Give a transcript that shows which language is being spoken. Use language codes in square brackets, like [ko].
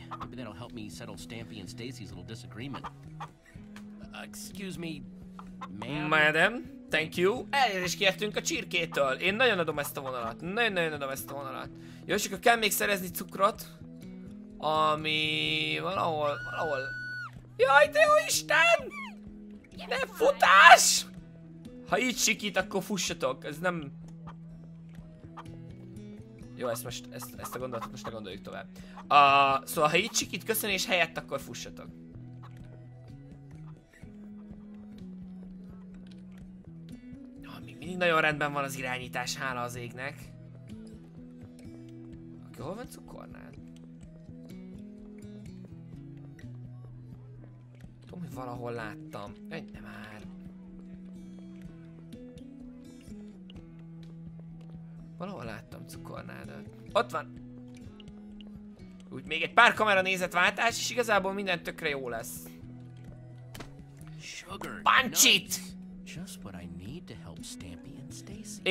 [en] Maybe that'll help me settle Stampy and Stacy's little disagreement. Excuse me, ma'am? Madam, thank you. [hu] Elnézést kértünk a csirkétől. Én nagyon adom ezt a vonalat. Nagyon-nagyon adom ezt a vonalat. Jó, és akkor kell még szerezni cukrot. Ami valahol... Jaj, de jó Isten! Ne futás! Ha így sikít, akkor fussatok. Ez nem... Jó, ezt a gondolatot most ne gondoljuk tovább. Szóval ha így sikít, köszönés helyett, akkor fussatok. Mindig nagyon rendben van az irányítás, hála az égnek. Aki hol van cukornád? Tudom, hogy valahol láttam. Egy nem már. Valahol láttam cukornádat. Ott van! Úgy még egy pár kamera nézetváltás, és igazából minden tökre jó lesz. [en] Punch it! Just what I need to help Stampy and Stacy.